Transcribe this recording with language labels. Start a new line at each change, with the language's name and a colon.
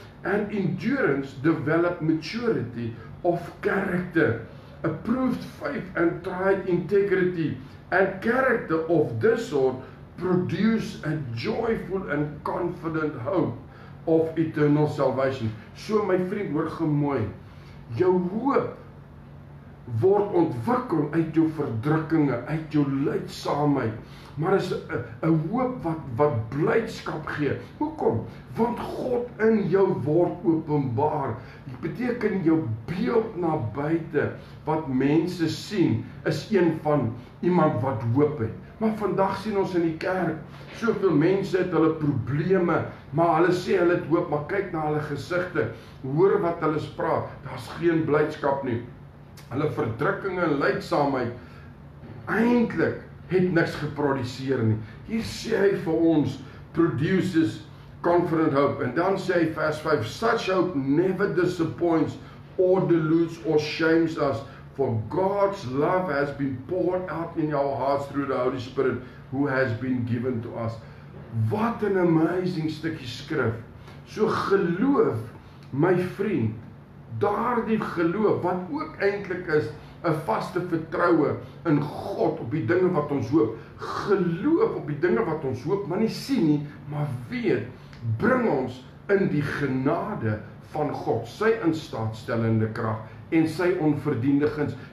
English: And endurance develop maturity of character, approved faith and tried integrity, and character of this sort produce a joyful and confident hope of eternal salvation.
Afrikaans: So my vriend, hoor gemooi, jou hoop word ontwikkel uit jou verdrukkinge, uit jou lijdsaamheid, maar is een hoop wat blijdskap gee. Hoekom? Want God in jou word openbaar. Dit beteken jou beeld na buiten, wat mense sien, is een van iemand wat hoop het. Maar vandag sien ons in die kerk, soveel mense het hulle probleme, maar hulle sê hulle het hoop, maar kyk na hulle gezichte, hoor wat hulle spraak, daar is geen blijdskap nie. Hulle verdrukking en lijdsaamheid, eindelijk het niks geproduceer nie. Hier sê hy vir ons,
English: produces confident hope.
Afrikaans: En dan sê hy vers 5,
English: such hope never disappoints or deludes or shames us, for God's love has been poured out in our hearts through the Holy Spirit, who has been given to us.
Afrikaans: Wat
English: an amazing
Afrikaans: stukje skrif. So geloof, my vriend, daar die geloof, wat ook eindelijk is, een vaste vertrouwe in God op die dinge wat ons hoop. Geloof op die dinge wat ons hoop, maar nie sien nie, maar weet, bring ons in die genade van God, sy instaatstellende kracht en sy onverdiende guns.